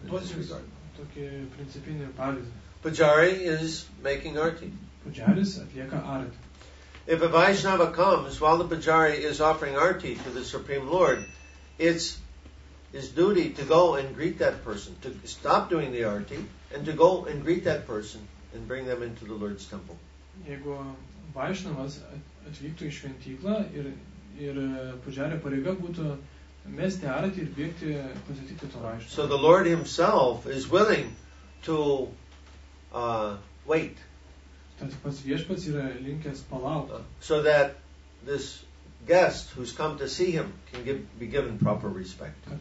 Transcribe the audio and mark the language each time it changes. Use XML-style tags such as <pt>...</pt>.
<lt>Tokį principinį pavyzdį.</lt> <en>Pujari is making arti.</en> <lt>Pujaris atlieka arti.</lt> <en>If a Vaishnava comes while the Pujari is offering arti to the Supreme Lord, it's his duty to go and greet that person, to stop doing the arti, and to go and greet that person and bring them into the Lord's temple.</en> <lt>Jeigu Vaishnavas atvyktų į šventyklą ir Pujari pareiga būtų mesti arti ir bėgti pasitikti to Vaishnavą.</lt> <en>So the Lord himself is willing to wait. So that this guest who's come to see him can be given proper respect.</en>